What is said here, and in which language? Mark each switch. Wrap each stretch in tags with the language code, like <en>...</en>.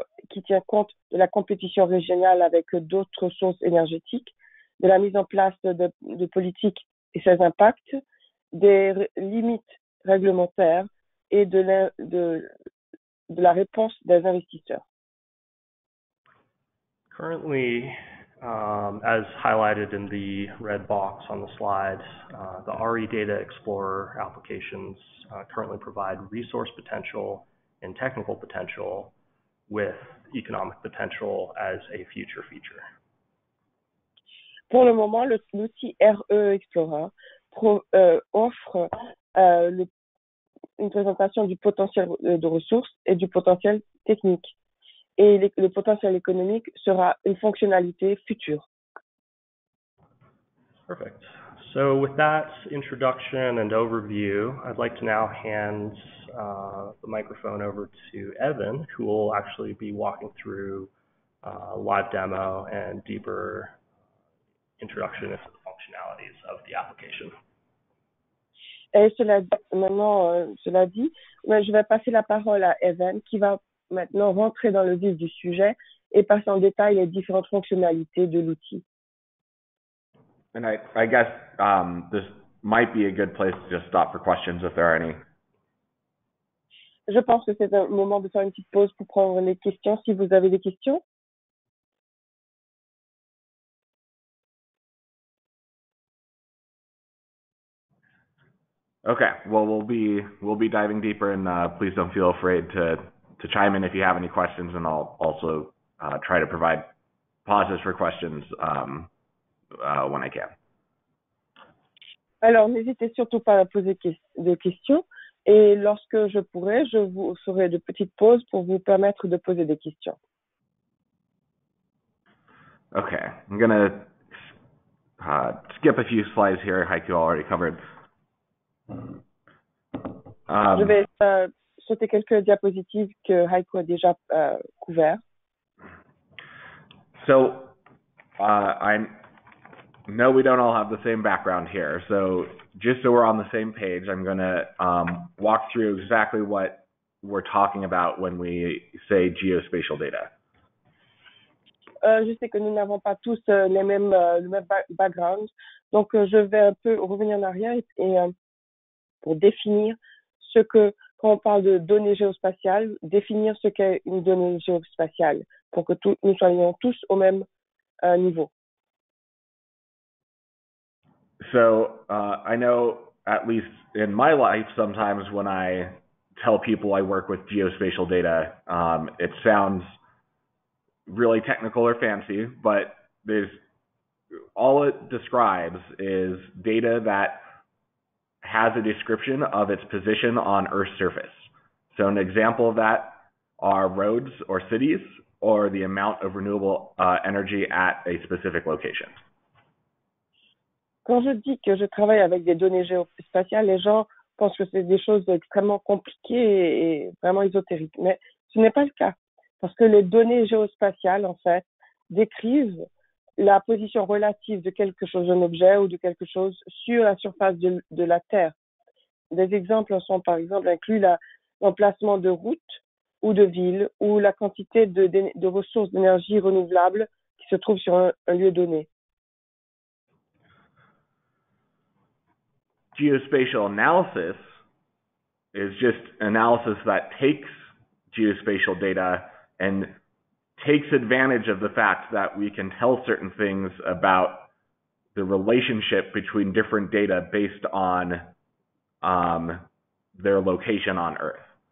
<fr>qui tient compte de la compétition régionale avec d'autres sources énergétiques, de la mise en place de politiques et ses impacts, des limites réglementaires et de la réponse des investisseurs.</fr> <en>Currently, as highlighted in the red box on the slide, the RE Data Explorer applications currently provide resource potential and technical potential with economic potential as a future feature.</en> <fr>Pour le moment, l'outil RE Explorer offre une présentation du potentiel de ressources et du potentiel technique. Et le potentiel économique sera une fonctionnalité future.</fr> <en>Perfect. So with that introduction and overview, I'd like to now hand the microphone over to Evan, who will actually be walking through a live demo and deeper introduction of the functionalities of the application.</en> <fr>Et cela maintenant, cela dit, je vais passer la parole à Evan qui va maintenant rentrer dans le vif du sujet et passer en détail les différentes fonctionnalités de l'outil.</fr> <en>And I guess this might be a good place to just stop for questions if there are any.</en> <fr>Je pense que c'est un moment de faire une petite pause pour prendre les questions si vous avez des questions.</fr> <en>Okay, well we'll be diving deeper and please don't feel afraid to chime in if you have any questions, and I'll also try to provide pauses for questions when I can.</en> <fr>Alors, n'hésitez surtout pas à poser des questions, et lorsque je pourrai, je vous ferai de petites pauses pour vous permettre de poser des questions.</fr> <en>Okay, I'm gonna skip a few slides here. Haiku already covered.</en> <fr>Je vais sauter quelques diapositives que Haiku a déjà couvert.</fr> <en>So, No, we don't all have the same background here. So just so we're on the same page, I'm going to walk through exactly what we're talking about when we say geospatial data.</en> <fr>Je sais que nous n'avons pas tous les mêmes le même background. Donc, je vais un peu revenir en arrière et pour définir ce que, quand on parle de données géospatiales, définir ce qu'est une donnée géospatiale pour que nous soyons tous au même niveau.</fr> <en>So I know, at least in my life, sometimes when I tell people I work with geospatial data, it sounds really technical or fancy, but all it describes is data that has a description of its position on Earth's surface. So an example of that are roads or cities or the amount of renewable energy at a specific location.</en> <fr>Quand je dis que je travaille avec des données géospatiales, les gens pensent que c'est des choses extrêmement compliquées et vraiment ésotériques. Mais ce n'est pas le cas, parce que les données géospatiales, en fait, décrivent la position relative de quelque chose, d'un objet ou de quelque chose sur la surface de la Terre. Des exemples sont, par exemple, incluent l'emplacement de routes ou de villes ou la quantité de ressources d'énergie renouvelable qui se trouve sur un lieu donné.</fr> <en>Geospatial analysis is just analysis that takes geospatial data and takes advantage of the fact that we can tell certain things about the relationship between different data based on their location on Earth.</en>